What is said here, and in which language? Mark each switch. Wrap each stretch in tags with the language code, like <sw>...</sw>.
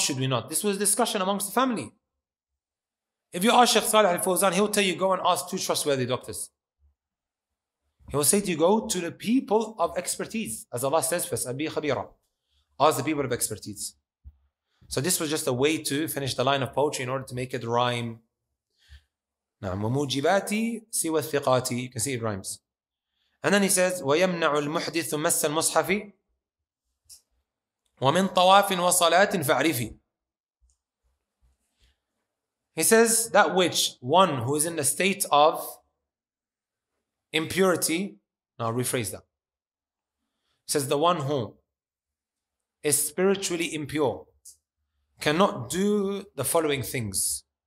<en>Should we not? This was a discussion amongst the family. If you ask Sheikh Saleh Al-Fawzan, he'll tell you, go and ask 2 trustworthy doctors. He will say to you, go to the people of expertise. As Allah says,</en> <ar>فَسْأَبِي خَبِيرًا.</ar> <en>Ask the people of expertise. So this was just a way to finish the line of poetry in order to make it rhyme.</en> <ar>نعم وموجباتي سوى الثقاتي.</ar> <en>You can see it rhymes. And then he says,</en> <ar>ويمنع المحدث مس المصحف ومن طواف وصلات فعرفي.</ar> <en>He says, that which one who is in a state of impurity. Now I'll rephrase that. He says, the one who is spiritually impure cannot do the following things.</en>